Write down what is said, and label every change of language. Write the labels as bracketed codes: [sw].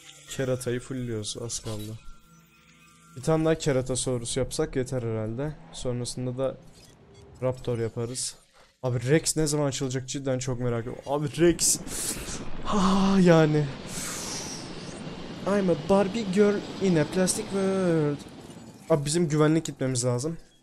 [tr] Keratayı fulliyoruz, az kaldı. Bir tane daha kerata sorusu yapsak yeter herhalde. Sonrasında da raptor yaparız. Abi Rex ne zaman açılacak, cidden çok merak ediyorum. Abi Rex. Yani. [en] I'm a Barbie girl in a plastic world. [tr] Abi bizim güvenlik gitmemiz lazım.